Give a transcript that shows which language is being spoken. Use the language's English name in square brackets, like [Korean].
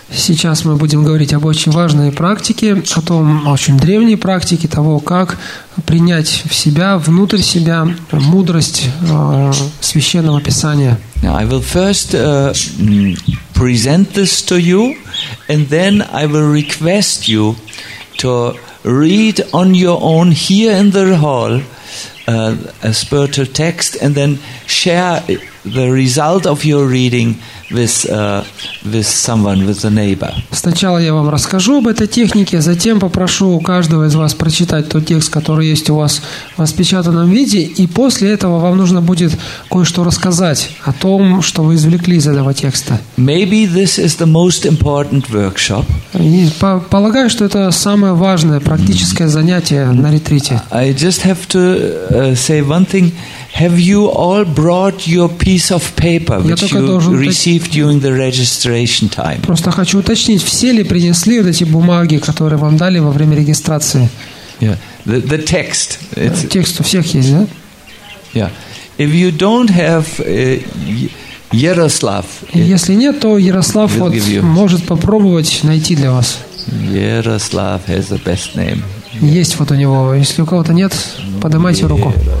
[Russian] Сейчас мы будем говорить об очень важной практике, о том, очень древней практике того, как принять в себя, внутрь себя мудрость священного писания. [English] Now I will first present this to you, and then I will request you to read on your own here in the hall a spiritual text, and then share the result of your reading with someone, with the neighbor. [Russian] Сначала я вам расскажу об этой технике, затем попрошу у каждого из вас прочитать тот текст, который есть у вас в распечатанном виде, и после этого вам нужно будет кое-что рассказать о том, что вы извлекли из этого текста. [English] Maybe this is the most important workshop. [Russian] Полагаю, что это самое важное практическое занятие на ретрите. [English] I just have to say one thing. Have you all brought your piece of paper which you received during the registration time? [Russian] Просто хочу уточнить, все ли принесли вот эти бумаги, которые вам дали во время регистрации? [English] Yeah. The text. It's... [Russian] Текст у всех есть, да? [English] Yeah. If you don't have Yaroslav. [Russian] Если нет, то Ярослав вот может попробовать найти для вас. [English] Yaroslav has the best name. [Russian] Yeah. Есть вот у него. Если у кого-то нет, поднимайте руку.